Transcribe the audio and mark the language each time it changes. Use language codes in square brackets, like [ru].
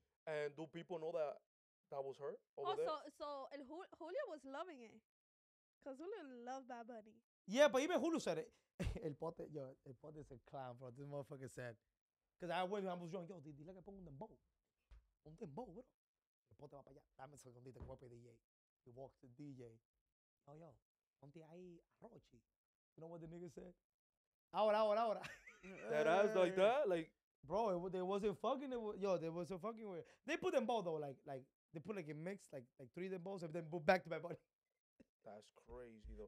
[en] And do people know that that was her? Over So El Julio was loving it. Because Julio loved Bad Bunny. Yeah, but even Julio said it. El Pote is a clown, bro. This motherfucker said. Because I went, I was going, yo, [es] dile que pongo un dembow. Un dembow, bro. El Pote va para allá. Dame un segundito que voy para DJ. [en] He walked to DJ. Oh, yo. [es] Ponte ahí, [en] Rochi. You know what the nigga said? [es] Ahora. [en] That ass like that? Like. Bro, they wasn't fucking. They wasn't fucking weird. They put them both, though. Like they put like a mix, like 3 of them both, and then put back to Bad Bunny. That's crazy, though.